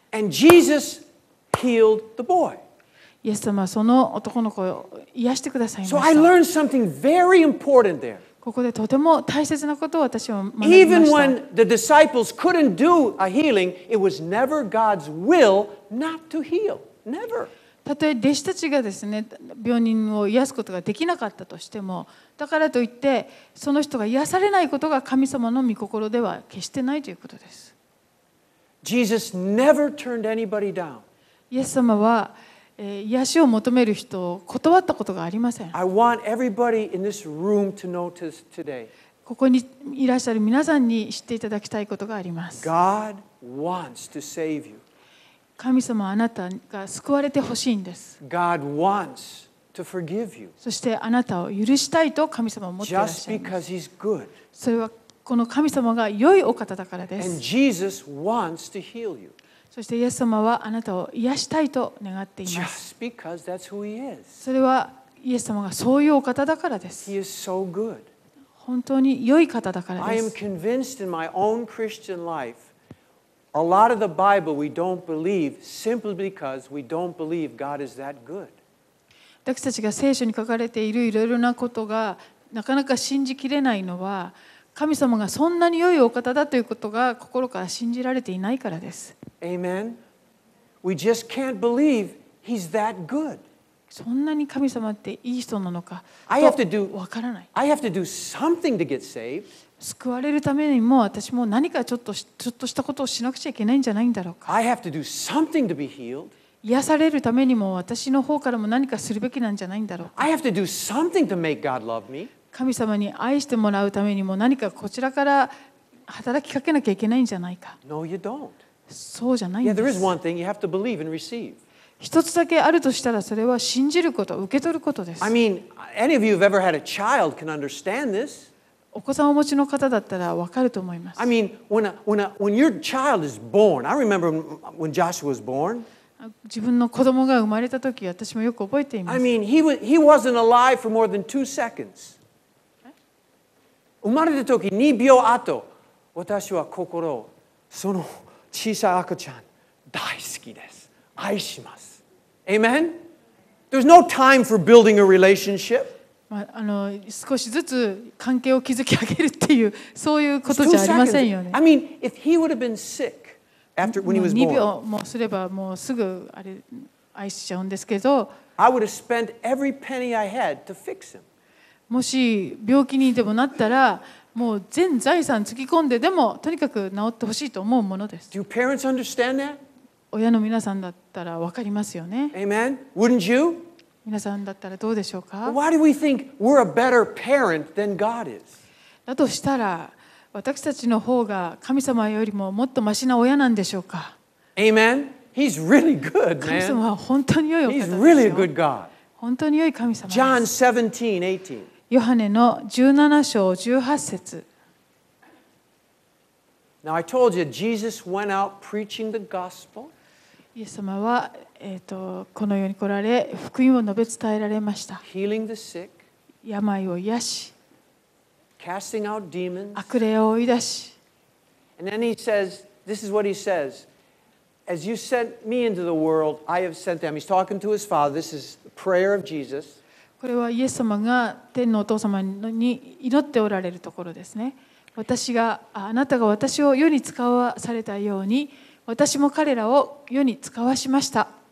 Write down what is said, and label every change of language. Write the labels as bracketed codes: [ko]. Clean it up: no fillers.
[en] and Jesus healed the boy. [ja] イエス様はその男の子を癒してくださいました。 [en] So I learned something very important there. [ja] ここでとても大切なことを私は学びました。 [en] Even when the disciples couldn't do a healing, it was never God's will not to heal. Never. [ja] たとえ弟子たちがですね、病人を癒すことができなかったとしても、だからといってその人が癒されないことが神様の御心では決してないということです。 [en] Jesus never turned anybody down. [ja] イエス様は癒しを求める人を断ったことがありません。 [en] I want everybody in this room to notice today. [ja] ここにいらっしゃる皆さんに知っていただきたいことがあります。 [en] God wants to save you. [ja] 神様あなたが救われてほしいんです。 [en] God wants to forgive you. [ja] そしてあなたを許したいと神様は思っていらっしゃいます。 [en] Just because he's good. [ja] それはこの神様が良いお方だからです。 [en] And Jesus wants to heal you. [ja] そしてイエス様はあなたを癒したいと願っています。 [en] Just because that's who he is. [ja] それはイエス様がそういうお方だからです。 [en] He is so good. [ja] 本当に良い方だからです。 [en] I am convinced in my own Christian life. A lot of the Bible we don't believe simply because we don't believe God is that good. [ja] 私たちが聖書に書かれているいろいろなことがなかなか信じきれないのは神様がそんなに良いお方だということが心から信じられていないからです。 [en] Amen. We just can't believe He's that good. [ja] そんなに神様っていい人なのかと分からない。 [en] I have to do something to get saved. [ja] 救われるためにも私も何かちょっとしたことをしなくちゃいけないんじゃないんだろうか。 [en] I have to do something to be healed. [ja] 癒されるためにも私の方からも何かするべきなんじゃないんだろうか。 [en] I have to do something to make God love me. [ja] 神様に愛してもらうためにも何かこちらから働きかけなきゃいけないんじゃないか。 [en] No, you don't. [ja] そうじゃないんです。 [en] Yeah, there is one thing you have to believe and receive. [ja] 一つだけあるとしたらそれは信じること、受け取ることです。 [en] I mean, any of you who've ever had a child can understand this. [ja] お子さんをお持ちの方だったら分かると思います。 [en] I mean, when your child is born, I remember when Joshua was born. [ja] 自分の子供が生まれた時、私もよく覚えています。 [en] I mean, he wasn't alive for more than 2 seconds. [ja] 生まれた時、2秒後、私は心、その小さい赤ちゃん、大好きです。愛します。 [en] Amen? There's no time for building a relationship. [ja] 少しずつ関係を築き上げるっていうそういうことじゃありませんよね。 [en] I mean, if he would have been sick after when he was born, [ja] 2秒もすればもうすぐあれ愛しちゃうんですけど、 [en] I would have spent every penny I had to fix him. [ja] もし病気にでもなったら、もう全財産つぎ込んででもとにかく治ってほしいと思うものです。 [en] Do parents understand that? [ja] 親の皆さんだったらわかりますよね。 [en] Amen. Wouldn't you? [ja] 皆さんだったらどうでしょうか。 [en] Why do we think we're a better parent than God is? [ja] だとしたら私たちの方が神様よりももっとマシな親なんでしょうか。 [en] Amen. He's really good, man. [ja] 神様は本当に良いお方ですよ。 [en] He's really a good God. [ja] 本当に良い神様です。 [en] John 17, 18. [ja] ヨハネの17章18節。 [en] Now I told you Jesus went out preaching the gospel. [ja] イエス様は、この世に来られ福音を述べ伝えられました。 [en] Healing the sick, [ja] 病を癒し [en] casting out demons, [ja] 悪霊を追い出し [en] And then he says, this is what he says, As you sent me into the world, I have sent them. He's talking to his father. This is the prayer of Jesus. [ja] これはイエス様が天のお父様に祈っておられるところですね。私があなたが私を世に使わされたように私も彼らを世に使わしました。